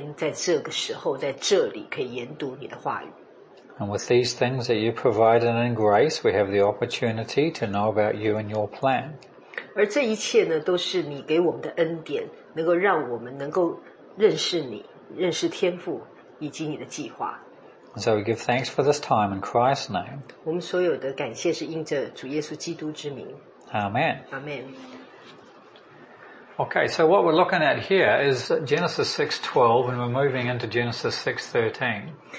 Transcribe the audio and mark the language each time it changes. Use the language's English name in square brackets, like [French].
[Chinese] 而且要感谢呢，所有的灵性的资源跟食物的资源，都能够让我们能够在今天在这个时候在这里可以研读你的话语。 [English] And with these things that you provide and in grace, we have the opportunity to know about you and your plan. [Chinese] 而这一切呢，都是你给我们的恩典，能够让我们能够认识你，认识天父，以及你的计划。 [English] So we give thanks for this time in Christ's name. [Chinese] 我们所有的感谢是因着主耶稣基督之名。 [English] Amen. Amen. Okay, so what we're looking at here is Genesis 6:12, and we're moving into Genesis 6:13.